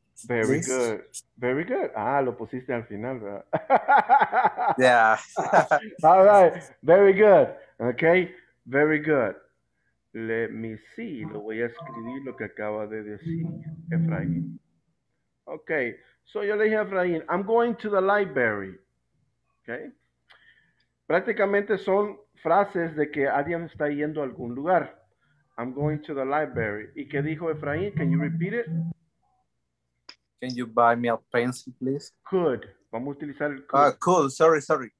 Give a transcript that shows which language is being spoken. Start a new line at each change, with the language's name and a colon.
English: Very good. Very good.
Spanish: Ah, lo pusiste al final, ¿verdad?
English: Yeah. All right. Very good. Okay. Very good. Let me see.
Spanish: Lo voy a escribir lo que acaba de decir Efraín.
English: Okay. So
Spanish: yo le dije a Efraín,
English: I'm going to the library. Okay.
Spanish: Prácticamente son frases de que alguien está yendo a algún lugar.
English: I'm going to the library.
Spanish: ¿Y qué dijo Efraín?
English: Can you repeat it? Can you buy me a pencil, please?
Spanish: Could. Vamos a utilizar el
English: could. Could. Sorry, sorry.